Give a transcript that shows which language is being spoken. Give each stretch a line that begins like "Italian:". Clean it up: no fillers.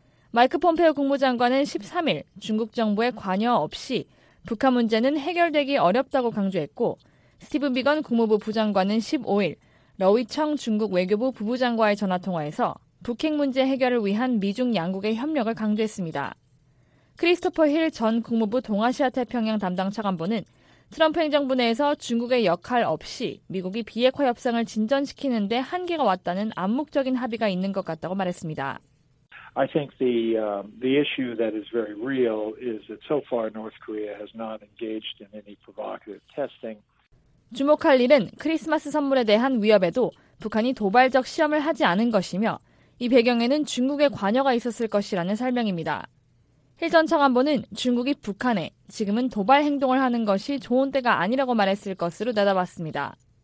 Korean: 마이크 폼페오 국무장관은 13일 중국 정부의 관여 없이 북한 문제는 해결되기 어렵다고 강조했고 스티븐 비건 국무부 부장관은 15일 러위청 중국 외교부 부부장과의 전화통화에서 북핵 문제 해결을 위한 미중 양국의 협력을 강조했습니다. 크리스토퍼 힐 전 국무부 동아시아 태평양 담당 차관보는 트럼프 행정부 내에서 중국의 역할 없이 미국이 비핵화 협상을 진전시키는 데 한계가 왔다는 암묵적인 합의가 있는 것 같다고 말했습니다.
English: I think the issue that is very real is that so far North Korea has not engaged in any provocative testing.
Korean: 주목할 일은 크리스마스 선물에 대한 위협에도 북한이 도발적 시험을 하지 않은 것이며 이 배경에는 중국의 관여가 있었을 것이라는 설명입니다. 힐전 차관보는 중국이 북한에 지금은 도발 행동을 하는 것이 좋은 때가 아니라고 말했을 것으로 내다봤습니다.